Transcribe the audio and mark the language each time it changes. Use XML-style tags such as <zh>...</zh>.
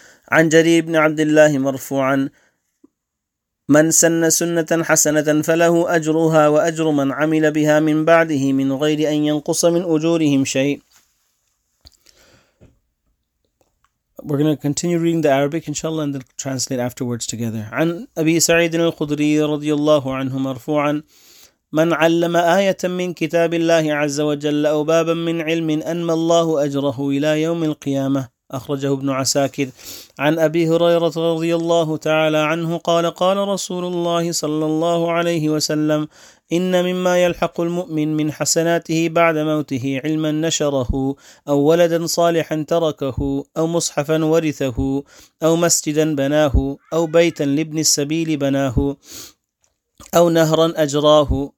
<ar>عن جرير بن عبد الله مرفوعا من سن سنة حسنة فله أجرها وأجر من عمل بها من بعده من غير أن ينقص من أجورهم شيء.</ar> <en>We're going to continue reading the Arabic inshallah and then translate afterwards together.</en> <ar>عن أبي سعيد الخدري رضي الله عنه مرفوعا من علم آية من كتاب الله عز وجل أو بابا من علم أنمى الله أجره إلى يوم القيامة. أخرجه ابن عساكر عن أبي هريرة رضي الله تعالى عنه قال قال رسول الله صلى الله عليه وسلم إن مما يلحق المؤمن من حسناته بعد موته علما نشره أو ولدا صالحا تركه أو مصحفا ورثه أو مسجدا بناه أو بيتا لابن السبيل بناه أو نهرا أجراه.</ar>